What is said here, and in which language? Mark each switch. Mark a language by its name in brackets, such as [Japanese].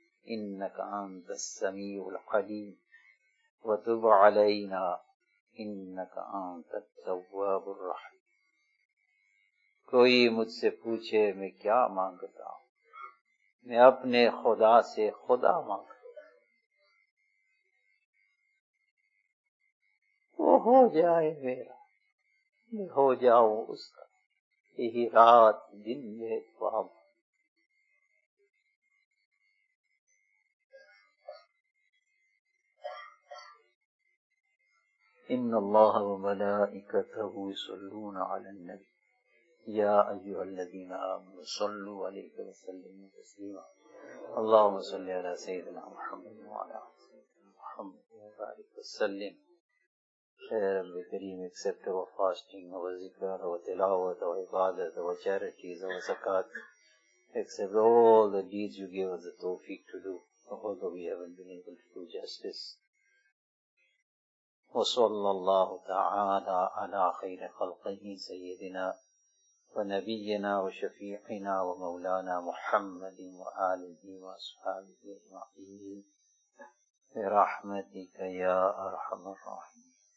[Arabic] إنك أنت السميع القديم وتب علينا إنك أنت التواب الرحيم. [Urdu] کوئی مجھ سے پوچھے میں کیا مانگتا ہوں, میں اپنے خدا سے خدا مانگتا ہوں, وہ ہو جائے میرا, میں ہو جاؤں اس کا, یہی رات دن میں خواب. [Arabic] ان اللہ وملائکته یصلون علی النبی یا ایھا الذین آمنوا صلوا علیہ وسلموا تسلیما. اللهم صل علی سیدنا محمد وعلی آل سیدنا محمد وبارک وسلم. [English] Shaykh Rabbi Kareem, acceptor of fasting, our zikr, our tilawat, our ibadat, our charities, our zakat. Accept all the deeds you gave us the tawfiq to do, although we haven't been able to do justice. [Arabic] وصلى الله تعالى على خير خلقه سيدنا ونبينا وشفيعنا ومولانا محمد وآله وأصحابه أجمعين برحمتك يا أرحم الراحمين.